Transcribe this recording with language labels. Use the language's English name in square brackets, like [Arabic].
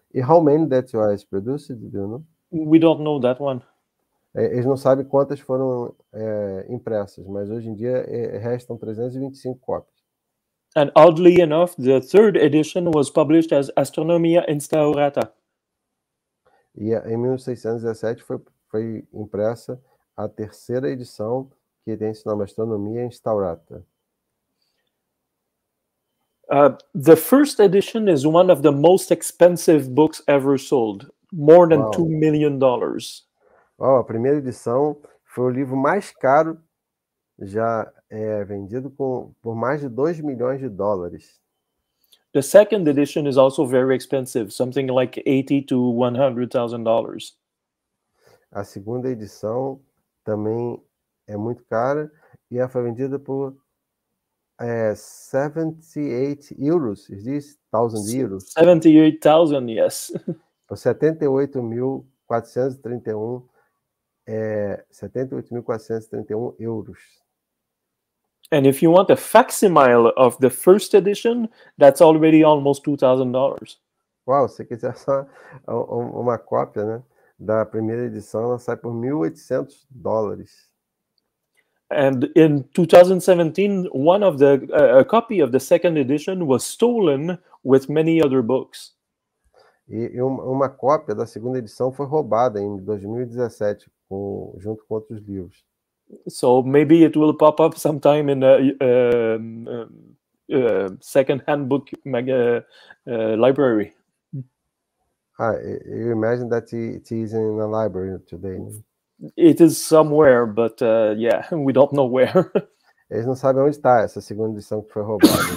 [English] E how many that was produced, do you know? We don't know that one. [Portuguese] Eles não sabem quantas foram impressas, mas hoje em dia restam 325 cópias. [English] And oddly enough, the third edition was published as Astronomia Instaurata. [Portuguese] E em 1617 foi impressa a terceira edição, que tem esse nome, Astronomia Instaurata. [English] The first edition is one of the most expensive books ever sold, more than $2 million. [Portuguese] Oh, a primeira edição foi o livro mais caro já vendido por mais de 2 milhões de dólares. [English] The second edition is also very expensive, something like $80,000 to $100,000. [Portuguese] A segunda edição também é muito cara e ela foi vendida por 78 euros. [English] Is this 1,000 euros? 78,000, yes. [Portuguese] Por 78.431 euros. [English] And if you want a facsimile of the first edition, that's already almost $2,000. [Portuguese] Uau, se quiser só uma cópia, né, da primeira edição, ela sai por $1,800. [English] And in 2017, one of the a copy of the second edition was stolen with many other books. [Portuguese] E uma cópia da segunda edição foi roubada em 2017 junto com outros livros. [English] So maybe it will pop up sometime in a second handbook library. Ah, you imagine that it is in a library today. It is somewhere, but yeah, we don't know where. [Portuguese] Eles não sabem onde está essa segunda edição que foi roubada.